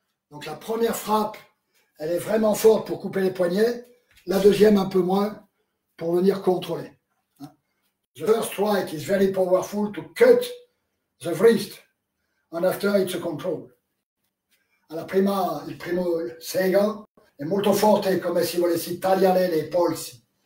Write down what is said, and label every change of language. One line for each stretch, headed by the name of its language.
French: Donc la première frappe, elle est vraiment forte pour couper les poignets. La deuxième un peu moins pour venir contrôler.
English: The first strike is very powerful to cut the wrist. And after it's a control.
Italian: A la prima, il primo segan è molto forte come si volessi tagliare le polsi.